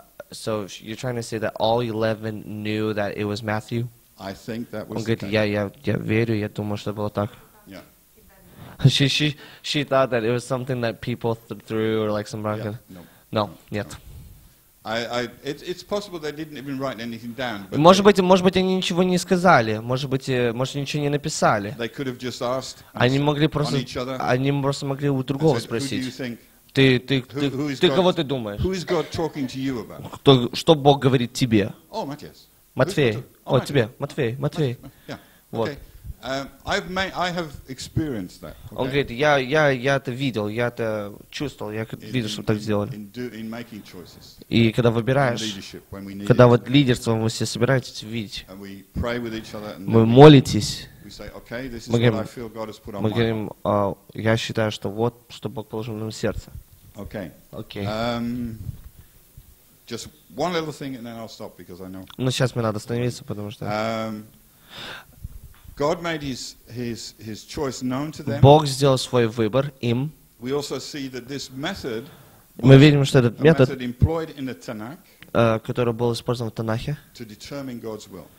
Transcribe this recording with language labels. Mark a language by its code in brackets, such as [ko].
[en] So, you're trying to say that all 11 knew that it was Matthew? I think that was [ru] Он говорит, я верю, я думаю, что было так. [en] Yeah. she thought that it was something that people threw or like some bracket. Yeah. No. It's possible they didn't even write anything down. [ru] Может быть, они ничего не сказали. Может, ничего не написали. [en] They could have just asked. [ru] Они могли просто. Они просто могли у другого спросить. Ты кого ты думаешь? [en] Who is God talking to you about? [ru] Кто, что Бог говорит тебе? [en] Oh, Matthias. [ru] Матфей. Oh, тебе. Матфей. [en] Yeah. Вот. Okay. I have experienced that. Okay? [ru] Он говорит, я это видел, я это чувствовал, я видел, что так сделали. И когда выбираешь, когда вот лидерством вы все собираетесь видеть, мы молитесь, мы говорим, я считаю, что вот, что Бог положил на сердце. [en] Okay. Okay. Just one little thing, and then I'll stop because I know. [ru] Но сейчас мне надо остановиться, потому что. [en] God made his choice known to them. [ru] Бог сделал свой выбор им. [en] We also see that this method. [ru] Мы видим, что этот метод, [en] employed in the Tanakh, [ru] который был использован в Танахе, [en] to determine God's will,